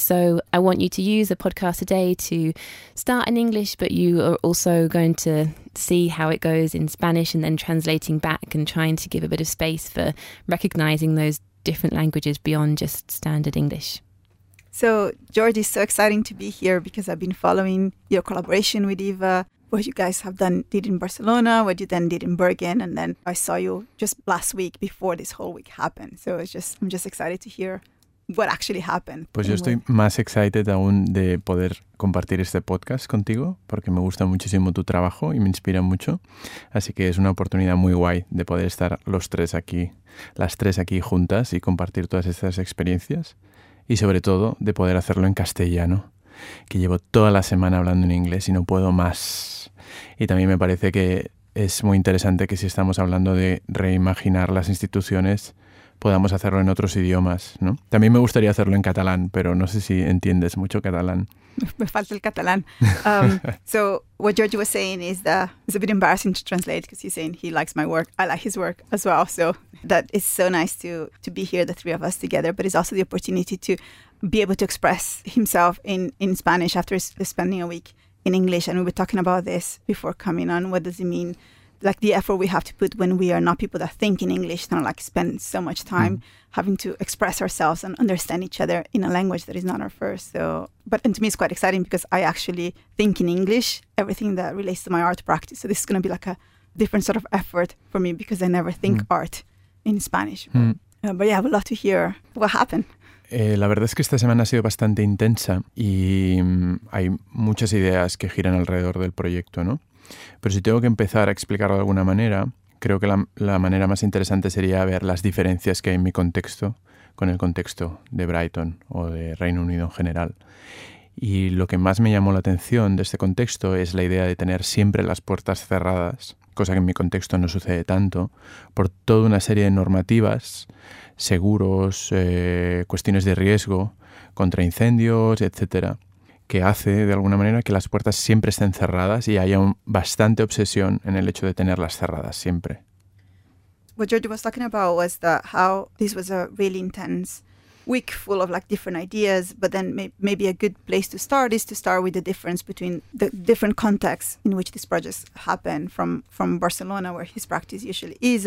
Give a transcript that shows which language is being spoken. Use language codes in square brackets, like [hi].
[en] So I want you to use a podcast today to start in English, but you are also going to see how it goes in Spanish and then translating back and trying to give a bit of space for recognizing those different languages beyond just standard English. So, Jordi, it's so exciting to be here because I've been following your collaboration with Eva, what you guys have done, did in Barcelona, what you then did in Bergen. And then I saw you just last week before this whole week happened. So I'm just excited to hear what actually happened. [es] Pues yo estoy más excited aún de poder compartir este podcast contigo porque me gusta muchísimo tu trabajo y me inspira mucho. Así que es una oportunidad muy guay de poder estar los tres aquí, las tres aquí juntas y compartir todas estas experiencias. Y sobre todo, de poder hacerlo en castellano, que llevo toda la semana hablando en inglés y no puedo más. Y también me parece que es muy interesante que si estamos hablando de reimaginar las instituciones, podamos hacerlo en otros idiomas, ¿no? También me gustaría hacerlo en catalán, pero no sé si entiendes mucho catalán. Me falta el catalán. [en] So, what George was saying is that it's a bit embarrassing to translate because he's saying he likes my work. I like his work as well. So, that is so nice to be here, the three of us together. But it's also the opportunity to be able to express himself in Spanish after spending a week in English. And we were talking about this before coming on. What does it mean? Like the effort we have to put when we are not people that think in English, not like spend so much time having to express ourselves and understand each other in a language that is not our first. So, but and to me, it's quite exciting because I actually think in English, everything that relates to my art practice. So this is going to be like a different sort of effort for me because I never think art in Spanish. But yeah, I would love to hear what happened. [es] La verdad es que esta semana ha sido bastante intensa y hay muchas ideas que giran alrededor del proyecto, ¿no? Pero si tengo que empezar a explicarlo de alguna manera, creo que la manera más interesante sería ver las diferencias que hay en mi contexto con el contexto de Brighton o de Reino Unido en general. Y lo que más me llamó la atención de este contexto es la idea de tener siempre las puertas cerradas, cosa que en mi contexto no sucede tanto, por toda una serie de normativas, seguros, cuestiones de riesgo, contra incendios, etcétera, que hace, de alguna manera, que las puertas siempre estén cerradas y haya bastante obsesión en el hecho de tenerlas cerradas siempre. [en] What George was talking about was that how this was a really intense week full of like different ideas, but then maybe a good place to start is to start with the difference between the different contexts in which these projects happen from Barcelona, where his practice usually is.